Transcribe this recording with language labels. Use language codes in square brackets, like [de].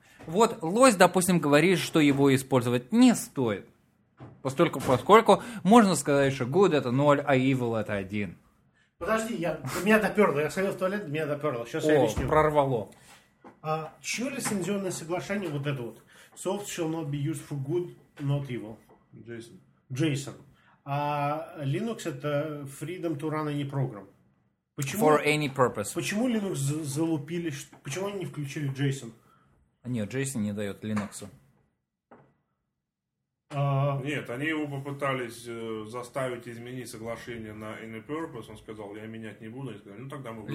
[ru] Вот Лось, допустим, говорит, что его использовать не стоит. Поскольку можно сказать, что good это 0, а evil это 1. Подожди, меня доперло. Я сходил в туалет, меня доперло. Сейчас я объясню. Прорвало. Чье лицензионное соглашение вот это вот? [en] Soft shall not be used for good, not evil. [ru] JSON. А [en] Linux [ru] это [en] freedom to run any program. [ru] Почему, [en] for any purpose. [ru] Почему Linux залупили? Почему они не включили JSON? Нет, JSON не дает Linux. Нет, они его попытались заставить изменить соглашение на [en] any purpose. [ru] Он сказал, я менять не буду. Они сказали, ну тогда мы будем.